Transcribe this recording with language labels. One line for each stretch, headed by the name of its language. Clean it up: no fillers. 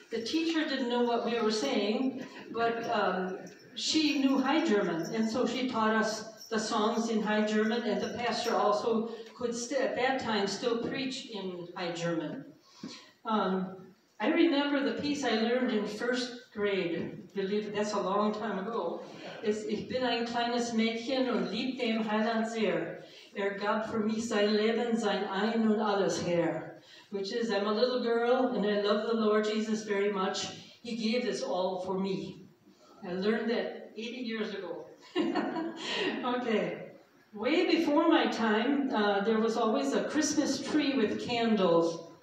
English: The teacher didn't know what we were saying, but she knew High German, and so she taught us the songs in High German, and the pastor also could, at that time, still preach in High German. I remember the piece I learned in first grade, believe it, that's a long time ago.
German: It's Ich bin ein kleines Mädchen und lieb dem Heiland sehr. Gab für mich sein Leben, sein Ein und alles her.
English: Which is, I'm a little girl and I love the Lord Jesus very much. He gave this all for me. I learned that 80 years ago. Okay. Way before my time, there was always a Christmas tree with candles.